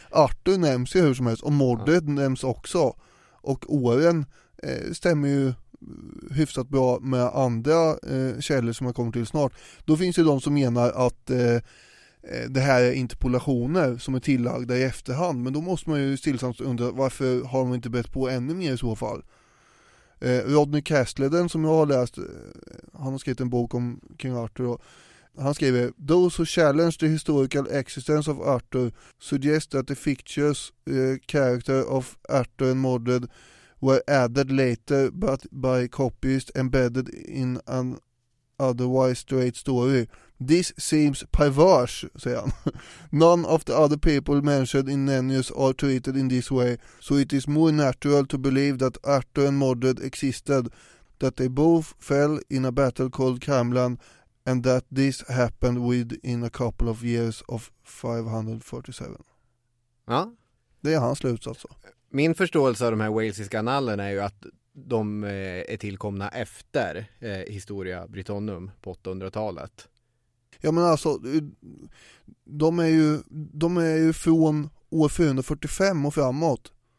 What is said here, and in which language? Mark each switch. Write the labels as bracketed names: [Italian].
[Swedish] Arthur nämns ju hur som helst och Mordred nämns också. Och åren stämmer ju hyfsat bra med andra källor som jag kommer till snart. Då finns det de som menar att det här är interpolationer som är tillagda i efterhand. Men då måste man ju stillsamt undra, varför har de inte bett på ännu mer i så fall? Rodney Castleden, som jag har läst, han har skrivit en bok om King Arthur. Och han skriver: [English] "Those who challenge the historical existence of Arthur suggest that the fictitious character of Arthur and Mordred were added later but by copyist embedded in an otherwise straight story. This seems perverse," [Swedish] säger han. [English] "None of the other people mentioned in Nennius are treated in this way, so it is more natural to believe that Arthur and Mordred existed, that they both fell in a battle called Camlann, and that this happened within a couple of years of 547. [Swedish] Ja. Det är hans slutsats. Min förståelse av de här walesiska annalerna är ju att de är tillkomna efter Historia Britannum på 800-talet. Ja, men alltså, de är ju från år 445 och framåt.